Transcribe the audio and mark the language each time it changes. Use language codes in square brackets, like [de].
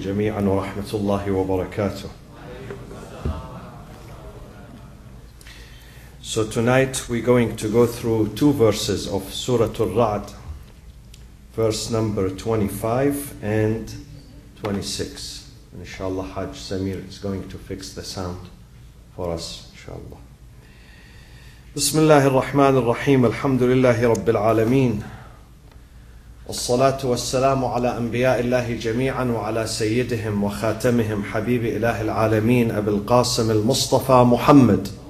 [ar] جميعا ورحمة الله وبركاته. [en] So tonight we're going to go through two verses of Surah Al-Ra'd, verse number 25 and 26. Inshallah, Hajj Samir is going to fix the sound for us, inshallah. [ar] بسم الله الرحمن الرحيم الحمد لله رب العالمين الصلاة والسلام على أنبياء الله جميعا وعلى سيدهم وخاتمهم حبيب إله العالمين أبي القاسم المصطفى محمد.